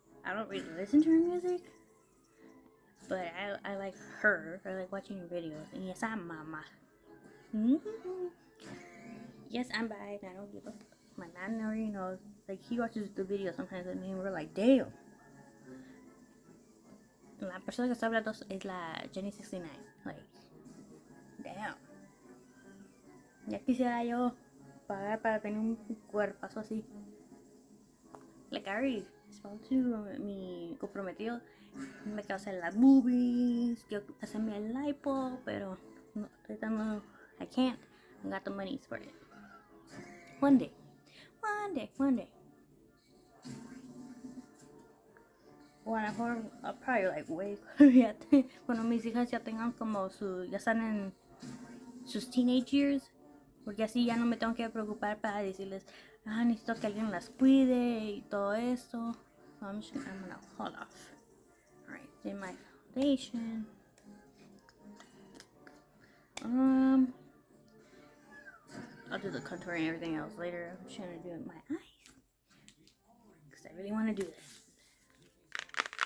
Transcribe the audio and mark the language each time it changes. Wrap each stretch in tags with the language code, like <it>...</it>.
<en>I don't really listen to her music, but I like her. I like watching her videos. And yes, I'm mama. Yes, I'm bi. And I don't give a fuck. My man already knows. Like, he watches the videos sometimes with me, and we're like, damn.</en> <es>La persona que está hablando es la Jenny 69.</es> <en>Like, damn.</en> <es>Ya quisiera yo pagar para tener un cuerpazo así.</es> <en>Like, I already spoke to</en> <es>mi comprometido. Me quiero hacer las boobies. Quiero hacerme el lipo. Pero no,</es> <en>I can't. I got the money for it. One day. One day. One day.</en> <es>Bueno, mejor,</es> <en>I'll probably like wait.</en> <es>Cuando mis hijas ya tengan como su. Ya están en sus</es> <en>teenage years.</en> <es>Porque así ya no me tengo que preocupar para decirles, ah, necesito que alguien las cuide y todo eso.</es> <en>So I'm gonna hold off. Alright, do my foundation. I'll do the contour and everything else later. I'm just gonna do it with my eyes. Because I really want to do this.</en>